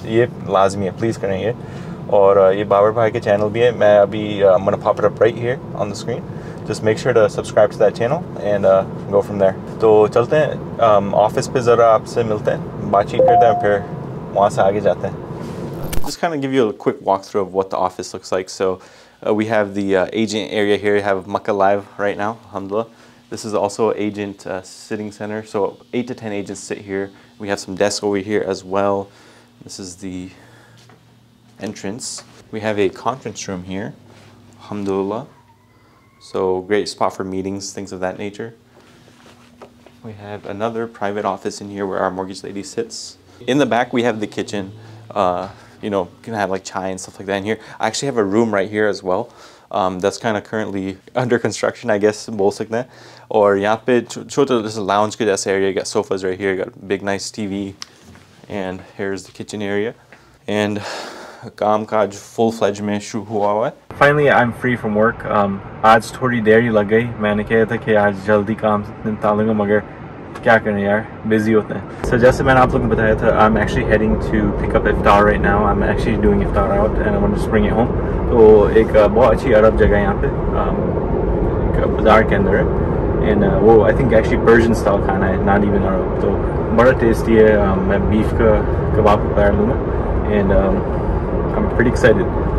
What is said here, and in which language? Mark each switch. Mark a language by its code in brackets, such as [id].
[hi] ये लाजमी है, प्लीज करें ये. और ये बाबर भाई के चैनल भी है, मैं अभी मना [en] Pop it up right here on the screen. Just make sure to subscribe to that channel and go from there. [hi] तो चलते हैं ऑफिस पे, जरा आपसे मिलते हैं, बातचीत करते हैं, फिर वहाँ से आगे जाते हैं. [en] Just kind of give you a quick walk through of what the office looks like. So we have the agent area here. We have Makkah Live right now, alhamdulillah. This is also agent sitting center. So 8 to 10 agents sit here. We have some desks over here as well. This is the entrance. We have a conference room here, alhamdulillah. So great spot for meetings, things of that nature. We have another private office in here where our mortgage lady sits. In the back, we have the kitchen. You know, can have like chai and stuff like that in here. I actually have a room right here as well. That's kind of currently under construction, I guess, [hi] bol sakte hain. Aur yahan pe chota [en] this lounge [hi] ke jaisa [en] area, got sofas right here, got big nice TV, and here's the kitchen area. [hi] And kaam kaaj full fledged mein shuru hua hai. [en] Finally, I'm free from work. [hi] Aaj thodi deri lag gayi. Maine kaha tha ki aaj jaldi kaam nipta lunga, magar क्या करें यार, busy होते हैं. सो जैसे मैंने आप लोगों को बताया था, [en] I am actually heading to pick up इफ्तार right now. I am actually doing इफ्तार out and I want to bring it home. [hi] तो एक बहुत अच्छी अरब जगह है यहाँ पे, एक बाजार के अंदर है, [en] and वो I think actually Persian style [hi] खाना है, [en] Not even Arab. [hi] तो बड़ा टेस्टी है, मैं बीफ का कबाब पकड़ लूँगा, [en] And I am pretty excited.